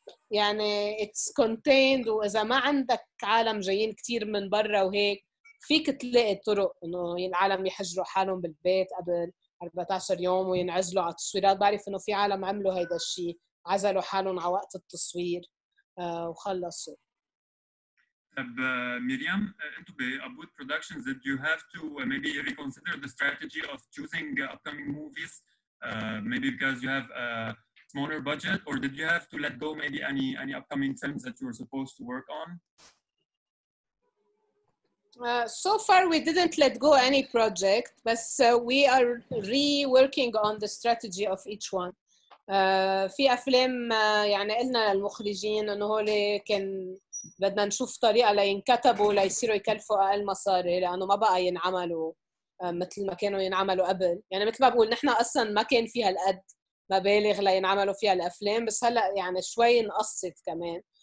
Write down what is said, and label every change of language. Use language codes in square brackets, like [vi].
[ar] يعني [en] it's contained [ar] وإذا ما عندك عالم جايين كتير من برا وهيك فيك تلاقي طرق أنه العالم يحجروا حالهم بالبيت قبل 14 يوم وينعزلوا على التصويرات بعرف أنه في عالم عملوا هيدا الشيء عزلوا حالهم على وقت التصوير وخلصوا طب مريم انتو بأبود [en] productions did you have to maybe reconsider the strategy of choosing upcoming movies maybe because you have a smaller budget or did you have to let go maybe any upcoming films that you were supposed to work on So far, we didn't let go any project, but we are reworking on the strategy of each one. [ar] في أفلام يعني قلنا للمخرجين إنه هو اللي كان بدنا نشوف طريقة لينكتبوا ليصيروا يكلفوا أقل مصاري لأنه ما بقى ينعملوا مثل ما كانوا ينعملوا قبل. يعني مثل ما بقول نحنا أصلاً ما كان فيها الأد مبالغ لينعملوا فيها الأفلام بس هلا يعني شوي نقصت كمان.